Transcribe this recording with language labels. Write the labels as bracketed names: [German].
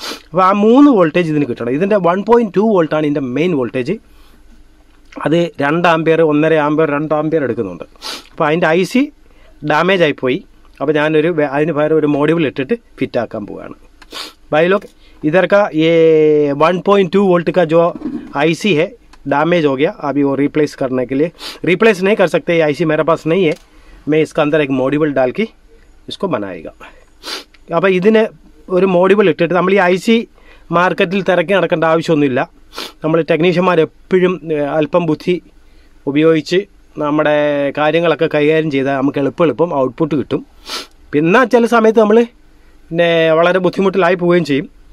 [Malayalam] അപ്പോൾ ആ 3 വോൾട്ടേജ് ഇതിന് കിട്ടണം. ഇതിൻ്റെ 1.2 വോൾട്ടാണ് ഇതിൻ്റെ മെയിൻ വോൾട്ടേജ്. അത് 2 ആമ്പിയർ, 1.5 ആമ്പിയർ, 2 ആമ്പിയർ എടുക്കുന്നുണ്ട്. അപ്പോൾ അതിൻ്റെ ഐ സി ഡാമേജ് ആയിപ്പോയി. അപ്പോൾ ഞാനൊരു അതിന് പകരം ഒരു മോഡ്യൂൾ ഇട്ടിട്ട് ഫിറ്റാക്കാൻ പോവുകയാണ്. ബൈലോക്ക് [Hindi] इधर का ये 1.2 वोल्ट का जो आईसी है डैमेज हो गया, अभी वो रिप्लेस करने के लिए, रिप्लेस नहीं कर सकते, ये आईसी मेरे पास नहीं है, मैं इसका अंदर एक मॉड्यूल डाल के इसको बनाएगा। अब इधर [Malayalam] ഒരു മോഡ്യൂൾ ഇട്ടിട്ട് നമ്മൾ ഈ ഐ സി മാർക്കറ്റിൽ തിരക്കി നടക്കേണ്ട ആവശ്യമൊന്നുമില്ല. നമ്മൾ ടെക്നീഷ്യന്മാർ എപ്പോഴും അല്പം ബുദ്ധി ഉപയോഗിച്ച് നമ്മുടെ കാര്യങ്ങളൊക്കെ കൈകാര്യം ചെയ്താൽ നമുക്ക് എളുപ്പം ഔട്ട്പുട്ട് കിട്ടും. പിന്നെ ചില സമയത്ത് നമ്മൾ പിന്നെ വളരെ ബുദ്ധിമുട്ടിലായി പോവുകയും ചെയ്യും.